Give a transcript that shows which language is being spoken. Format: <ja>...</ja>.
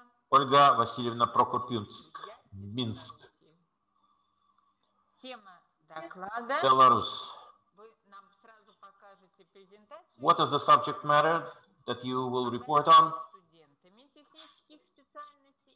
<ru>Ольга Васильевна Прокопюнск, Минск. Тема доклада. Белорус. Вы нам сразу покажете презентацию.</ru> <en>What is the subject matter that you will report on?</en> <ru>Студентами технических специальностей.</ru>